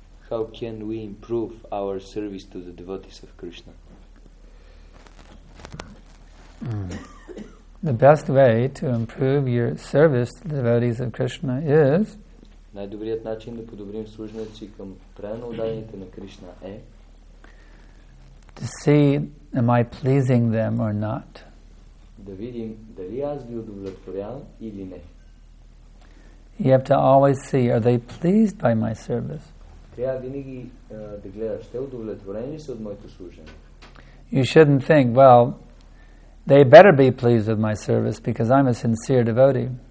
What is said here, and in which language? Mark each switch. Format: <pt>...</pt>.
<en>How can we improve our service to the devotees of Krishna? The best way to improve your service to the devotees of Krishna is</en> <bg>най-добрият начин да подобрим служението си към правилно отдадените на Кришна е</bg> <en>to see am I pleasing them or not.</en> <bg>Да видим дали аз ги удовлетворявам или не.</bg> <en>You have to always see are they pleased by my service.</en> <bg>Трябва винаги да гледаш те удовлетворени са от моето служение.</bg> <en>You shouldn't think, well, they better be pleased with my service because I'm a sincere devotee.</en>